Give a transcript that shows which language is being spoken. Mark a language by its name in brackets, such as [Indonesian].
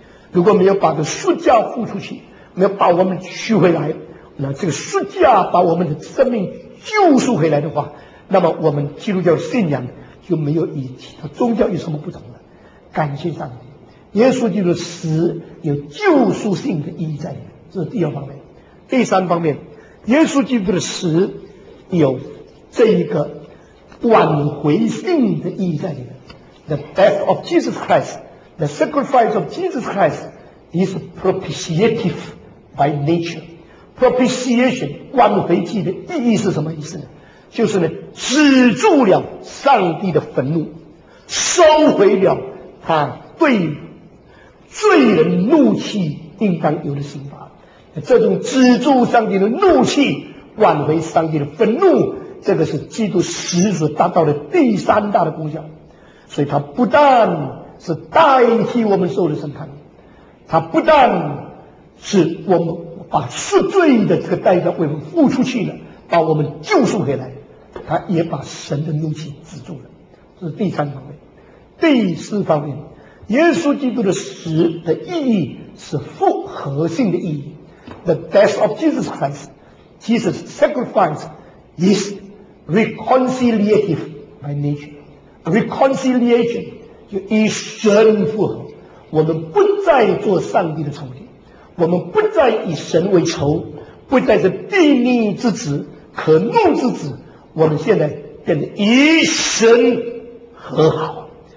[Chinese] 如果没有把这赎价付出去，没有把我们取回来，那这个赎价把我们的生命救赎回来的话，那么我们基督教信仰就没有与其他宗教有什么不同了。感谢上帝，耶稣基督的死有救赎性的意义在里面，这是第二方面。第三方面，耶稣基督的死有这一个挽回性的意义在里面。 [English] The death of Jesus Christ, the sacrifice of Jesus Christ is propitiative by nature. [Chinese] Propitiation, 挽回祭的意义是什么意思呢？就是呢，止住了上帝的愤怒，收回了他对罪人怒气应当有的刑罚。这种止住上帝的怒气，挽回上帝的愤怒，这个是基督死所达到的第三大的功效。所以他不但是代替我们受的审判，他不但是我们把赎罪的这个代价为我们付出去了，把我们救赎回来，他也把神的怒气止住了。这是第三方面。第四方面，耶稣基督的死的意义是复合性的意义。 [English] The death of Jesus Christ, Jesus' sacrifice is reconciliative by nature. [Chinese] Reconciliation 就以神复合，我们不再做上帝的仇敌，我们不再以神为仇，不再是地逆之子、可怒之子，我们现在变得与神和好。